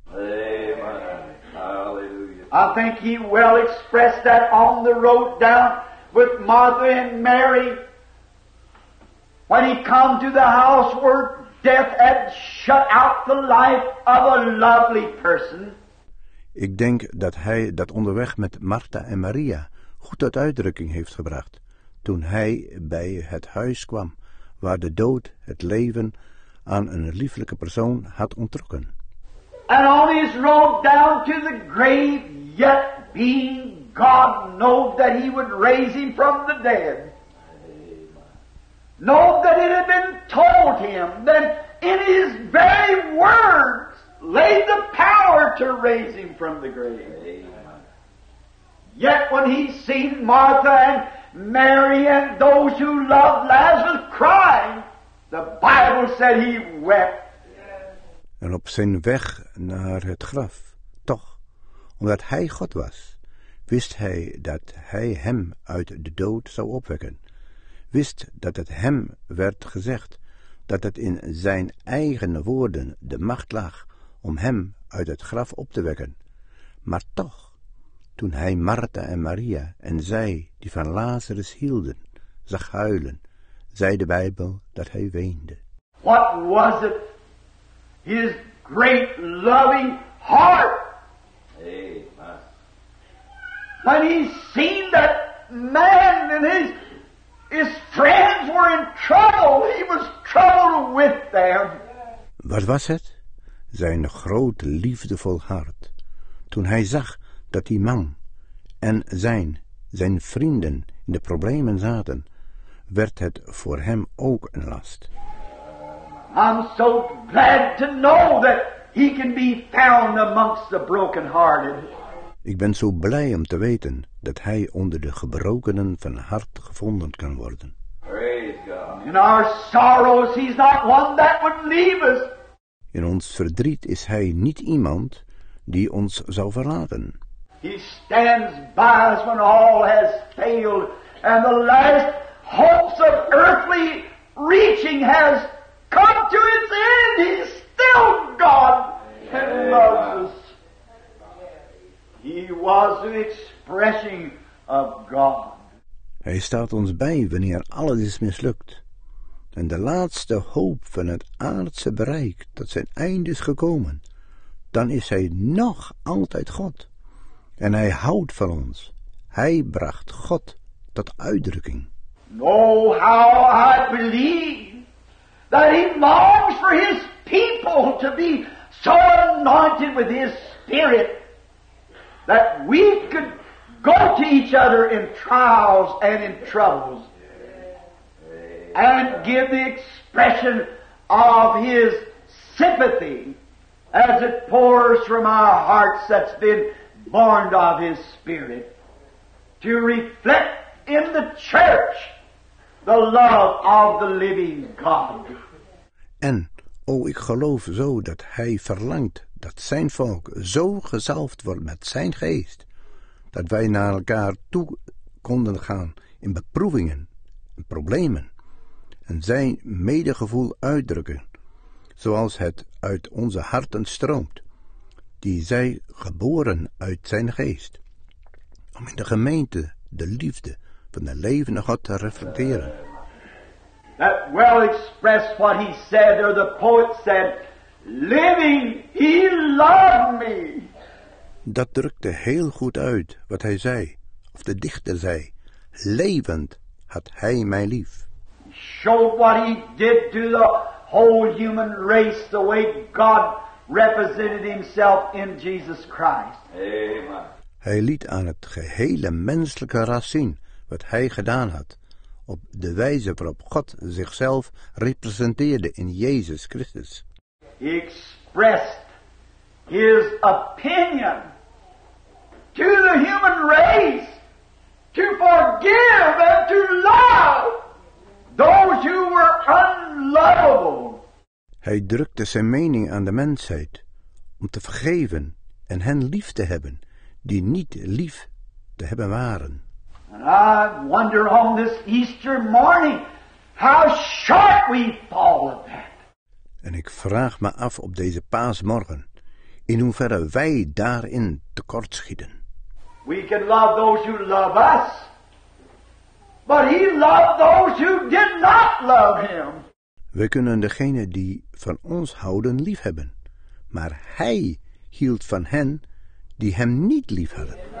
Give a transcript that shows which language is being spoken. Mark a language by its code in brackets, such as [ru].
[en] Amen. Hallelujah. I think he well expressed that on the road down with Martha and Mary. When he come to the house where death had shut out the life of a lovely person. [nl] Ik denk dat hij dat onderweg met Martha en Maria goed tot uitdrukking heeft gebracht, toen hij bij het huis kwam waar de dood het leven aan een lieflijke persoon had ontrokken. [en] And on his road down to the grave, yet being God know that he would raise him from the dead. Know that it had been told him that in his very words lay the power to raise him from the grave. Amen. Yet when he seen Martha and Mary and those who loved Lazarus crying, the Bible said he wept. [nl] En op zijn weg naar het graf, toch, omdat hij God was, wist hij dat hij hem uit de dood zou opwekken. Wist dat het hem werd gezegd, dat het in zijn eigen woorden de macht lag om hem uit het graf op te wekken. Maar toch, toen hij Martha en Maria en zij die van Lazarus hielden, zag huilen, zei de Bijbel dat hij weende. [en] What was it? His great loving heart. Amen. When he seen that man and his friends were in trouble. He was troubled with them. [nl] Wat was het? Zijn groot liefdevol hart. Toen hij zag dat die man en zijn vrienden in de problemen zaten, werd het voor hem ook een last. [en] I'm so glad to know that he can be found amongst the brokenhearted. [nl] Ik ben zo blij om te weten dat hij onder de gebrokenen van hart gevonden kan worden. [en] In our sorrows, he's not one that would leave us. [nl] In ons verdriet is hij niet iemand die ons zou verlaten. [en] He stands by us when all has failed and the last hopes of earthly reaching has come to its end. He's still God and loves us. He was an expression of God. [nl] Hij staat ons bij wanneer alles is mislukt. En de laatste hoop van het aardse bereik tot zijn einde is gekomen. Dan is hij nog altijd God. En hij houdt van ons. Hij bracht God tot uitdrukking. [en] Know how I believe that he longs for his people to be so anointed with his spirit that we could go to each other in trials and in troubles and give the expression of his sympathy as it pours from our hearts that's been born of his spirit to reflect in the church the love of the living God. [nl] En, ik geloof zo dat hij verlangt dat zijn volk zo gezalfd wordt met zijn geest, dat wij naar elkaar toe konden gaan in beprovingen en problemen en zijn medegevoel uitdrukken, zoals het uit onze harten stroomt, die zij geboren uit zijn geest, om in de gemeente de liefde van de levende God te reflecteren. [en] That well expressed what he said, or the poet said, living, he loved me. [nl] Dat drukte heel goed uit wat hij zei, of de dichter zei, levend had hij mij lief. [en] He showed what he did to the whole human race, the way God represented himself in Jesus Christ. Amen. [nl] Hij liet aan het gehele menselijke ras zien wat hij gedaan had, op de wijze waarop God zichzelf representeerde in Jezus Christus. [en] He expressed his opinion to the human race to forgive and to love those who were unlovable. [nl] Hij drukte zijn mening aan de mensheid om te vergeven en hen lief te hebben die niet lief te hebben waren. [en] And I wonder on this Easter morning how short we fall of that. [nl] En ik vraag me af op deze paasmorgen in hoeverre wij daarin tekortschieten. [en] We can love those who love us, but he loved those who did not love him. [nl] We kunnen degene die van ons houden lief hebben, maar hij hield van hen die hem niet lief hadden.